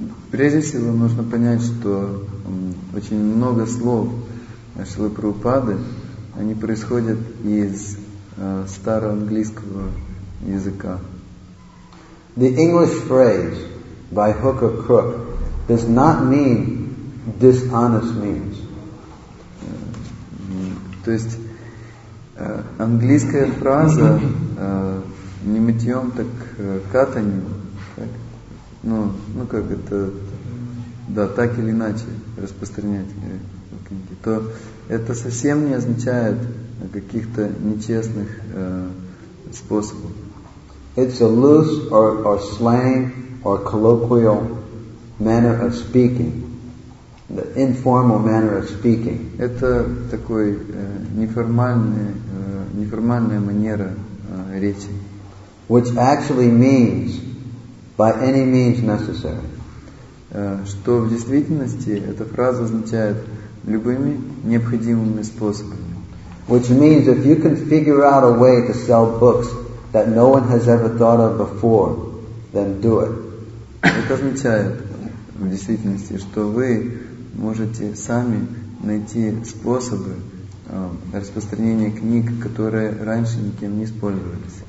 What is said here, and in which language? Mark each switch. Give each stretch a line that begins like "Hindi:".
Russian: Прежде всего нужно понять, что очень много слов Шрилы Прабхупады, они происходят из староанглийского языка.
English: The English phrase by hook or crook does not mean dishonest means.
Russian: То есть английская фраза не мытьем, так катанием, так, ну как это, да, так или иначе распространять, то это совсем не означает каких-то нечестных способов.
English: It's a loose or slang or colloquial manner of speaking. The informal manner of speaking.
Russian: Это такой неформальная манера речи.
English: Which actually means by any means necessary.
Russian: Что в действительности эта фраза означает любыми необходимыми способами.
English: Which means if you can figure out a way to sell books that no one has ever thought of before, then do it.
Russian: Это означает в действительности, что вы можете сами найти способы распространения книг, которые раньше никем не использовались.